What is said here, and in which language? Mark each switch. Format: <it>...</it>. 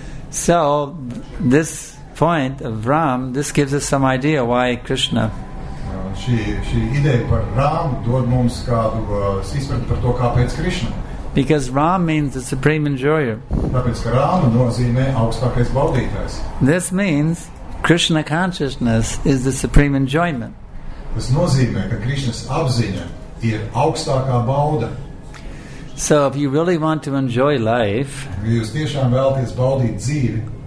<en>So, this point of Ram, this gives us some idea why Krishna.</en> <lv>Šī ideja par Ram dod mums kādu izpratni par to, kāpēc Krishna.</lv> <en>Because Ram means the supreme enjoyer.</en> <lv>Tāpēc, ka Rama nozīmē augstākais baudītājs.</lv> <en>This means Krishna consciousness is the supreme enjoyment.</en> <lv>Tas nozīmē, ka Krishnas apziņa ir augstākā bauda.</lv> <en>So if you really want to enjoy life,</en> <lv>ja jūs tiešām vēlaties baudīt dzīvi,</lv>